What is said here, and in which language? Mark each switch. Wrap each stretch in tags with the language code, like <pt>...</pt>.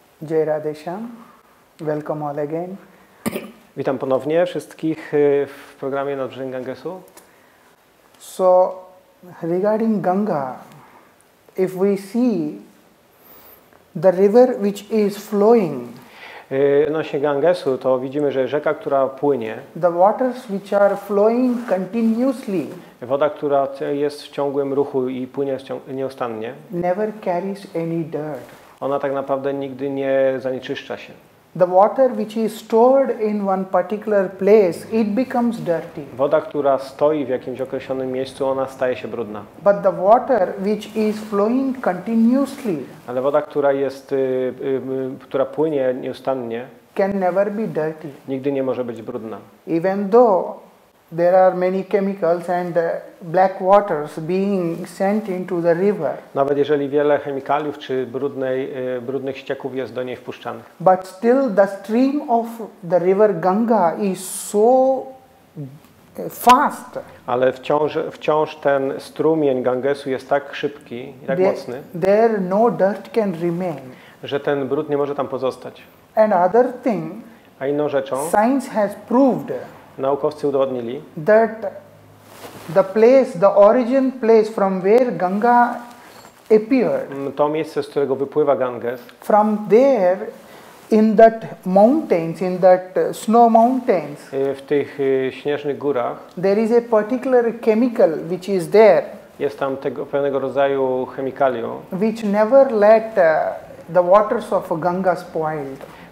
<en>Jai Radhe Shyam, welcome all again.</en> <pl>Witam ponownie wszystkich w programie Nad Brzegiem Gangesu.</pl> <en>So regarding Ganga, if we see the river which is flowing,</en> <pl>no się Gangesu, to widzimy, że rzeka, która płynie,</pl> <en>the waters which are flowing continuously,</en> <pl>woda, która jest w ciągłym ruchu i płynie nieustannie,</pl> <en>never carries any dirt.</en> <pl>Ona tak naprawdę nigdy nie zanieczyszcza się.</pl> <en>The water which is stored in one particular place, it becomes dirty.</en> <pl>Woda, która stoi w jakimś określonym miejscu, ona staje się brudna.</pl> <en>But the water which is flowing continuously,</en> <pl>ale woda, która jest, która płynie nieustannie,</pl> <en>can never be dirty.</en> <pl>Nigdy nie może być brudna.</pl> <en>Even though there are many chemicals and black waters being sent into the river.</en> <pl>Nawet jeżeli wiele chemikaliów czy brudnych ścieków jest do niej wpuszczanych.</pl> <en>But still the stream of the river Ganga is so fast.</en> <pl>Ale wciąż ten strumień Gangesu jest tak szybki, tak mocny.</pl> <en>There no dirt can remain.</en> <pl>Że ten brud nie może tam pozostać.</pl> <en>And other thing.</en> <pl>A inną rzeczą.</pl> <en>Science has proved.</en> <pl>Naukowcy udowodnili,</pl> <en>that the place, the origin place from where Ganga appeared,</en> <pl>to miejsce, z którego wypływa Ganges,</pl> <en>from there in that mountains, in that snow mountains,</en> <pl>w tych śnieżnych górach,</pl> <en>there is a particular chemical which is there,</en> <pl>jest tam pewnego rodzaju chemikalium,</pl> <en>which never let the waters of Ganga spoiled.</en>